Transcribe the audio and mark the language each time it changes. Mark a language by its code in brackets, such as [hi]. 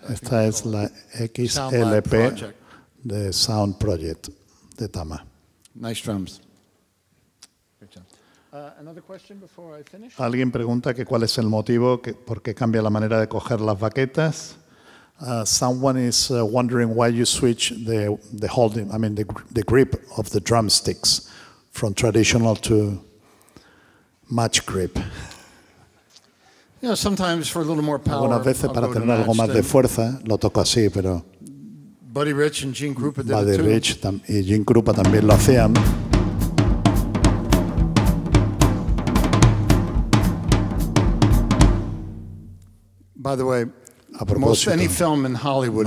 [es] Esta es la XLP de Sound Project de Tama. [en] Nice drums. Good job. Another question before I finish. [es] Alguien pregunta que cuál es el motivo que por qué cambia la manera de coger las baquetas. [en] Someone is wondering why you switch the grip of the drumsticks from traditional to match grip. You know, sometimes for a little more power. [es] Algunas veces para tener algo más de fuerza lo toco así, pero [en] Buddy Rich and Gene Krupa did Buddy it too. [es] Rich y Gene Krupa también lo hacían. [en] By the way, [es] a propósito, [en] any film in Hollywood,